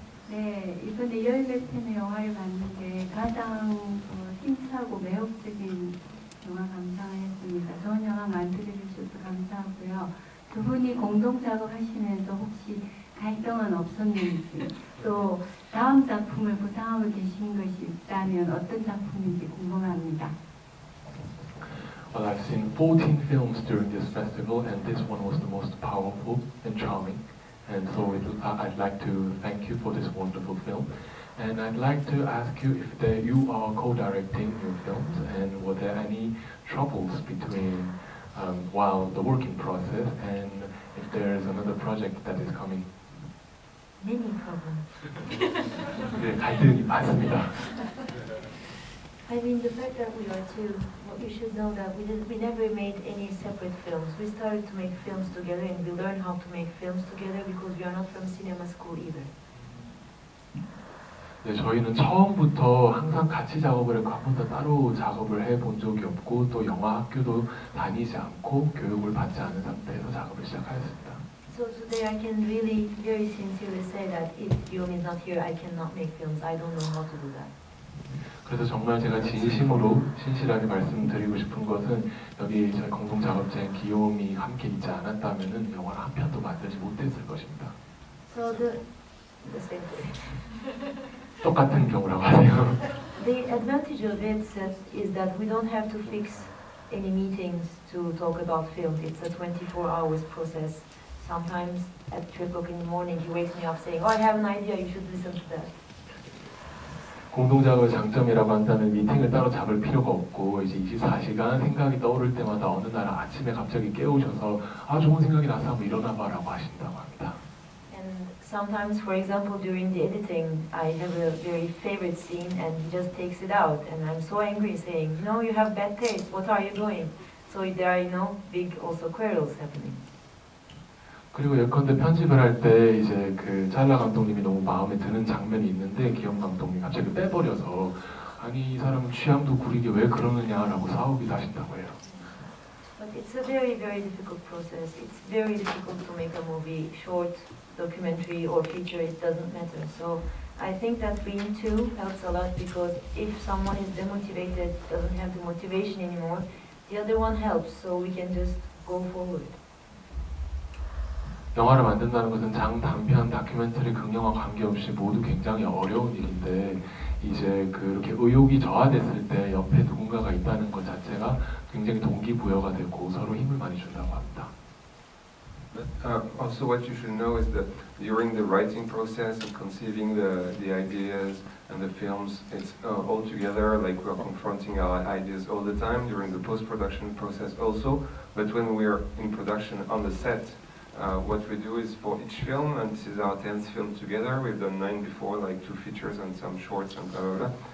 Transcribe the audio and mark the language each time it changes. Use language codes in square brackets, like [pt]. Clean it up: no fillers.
[ko] 네, 이번에 이열레텐의 영화를 봤는 게 가장 힘차고 매혹적인 영화 감상했습니다. 좋은 영화 만들어주셔서 감사하고요. 두 분이 공동 작업하시면서 혹시 갈등은 없었는지 또 다음 작품을 구상하고 계신 것이 있다면 어떤 작품인지 궁금합니다. [en] Well, I've seen 14 films during this festival and this one was the most powerful and charming. And so I'd like to thank you for this wonderful film. And I'd like to ask you if you are co-directing your films and were there any troubles between while the working process and if there is another project that is coming? Many problems. [ko] 네, 갈등이 많습니다. [en] I mean, the fact that we are two, well, you should know that we never made any separate films. We started to make films together and we learned how to make films together because we are not from cinema school either. [ko] 네, 저희는 처음부터 항상 같이 작업을 했고 한 번도 따로 작업을 해본 적이 없고 또 영화 학교도 다니지 않고 교육을 받지 않은 상태에서 작업을 시작하였습니다. [en] So today I can really very sincerely say that if Yong is not here, I cannot make films. I don't know how to do that. [ko] 그래서 정말 제가 진심으로 신실하게 말씀드리고 싶은 것은 여기 저희 공동 작업자인 기요미 함께 있지 않았다면은 영화를 한 편도 만들지 못했을 것입니다. [en] So the same thing. [ko] 똑같은 경우라고 하세요. [en] The advantage of it is that we don't have to fix any meetings to talk about films. It's a 24 hours process. Sometimes at 3 o'clock in the morning, he wakes me up saying, "Oh, I have an idea. You should listen to that." [ko] 공동작업의 장점이라고 한다면 미팅을 따로 잡을 필요가 없고 이제 24시간 생각이 떠오를 때마다 어느 날 아침에 갑자기 깨우셔서 아 좋은 생각이 나서 한번 일어나봐 라고 하신다고 합니다. [en] And sometimes for example during the editing I have a very favorite scene and he just takes it out and I'm so angry saying no you have bad taste what are you doing? So there are you know big also quarrels happening. [ko] 그리고 예컨대 편집을 할 때 이제 그 찰라 감독님이 너무 마음에 드는 장면이 있는데 기영 감독님이 갑자기 빼버려서 아니 이 사람 취향도 구리게 왜 그러느냐라고 싸우기도 하신다고 해요. [en] But it's a very very difficult process. It's very difficult to make a movie, short, documentary or feature. It doesn't matter. So I think that being two helps a lot because if someone is demotivated, doesn't have the motivation anymore, the other one helps. So we can just go forward. [ko] 영화를 만든다는 것은 장단편, 다큐멘터리, 극영화 관계없이 모두 굉장히 어려운 일인데 이제 그렇게 의욕이 저하됐을 때 옆에 누군가가 있다는 것 자체가 굉장히 동기부여가 되고 서로 힘을 많이 준다고 합니다. [en] Also what you should know is that during the writing process and conceiving the ideas and the films, it's all together, like we're confronting our ideas all the time during the post-production process also, but when we are in production on the set, what we do is for each film, and this is our 10th film together, we've done 9 before, like 2 features and some shorts and blah blah blah.